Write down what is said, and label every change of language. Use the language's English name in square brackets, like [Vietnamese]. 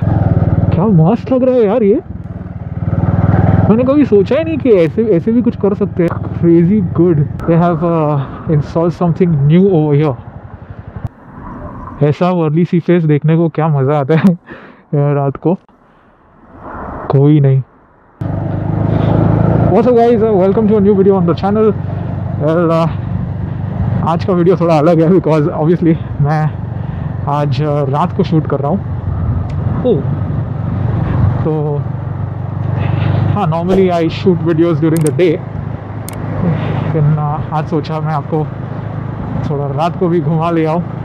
[Hindi] क्या मस्त लग रहा है यार ये, मैंने कभी सोचा ही नहीं कि ऐसे ऐसे भी कुछ कर सकते हैं. [English] Crazy good, they have installed something new over here. [Hindi] ऐसा वर्ली सी फेस देखने को क्या मज़ा आता है रात को. कोई नहीं. [English] What's up guys, welcome to a new video on the channel. [Hindi] Well, आज का वीडियो थोड़ा अलग है [English] because obviously [Hindi] मैं आज रात को शूट कर रहा हूँ. तो हाँ, [English] normally I shoot videos during the day, [Hindi] लेकिन आज सोचा मैं आपको थोड़ा रात को भी घुमा ले आऊँ.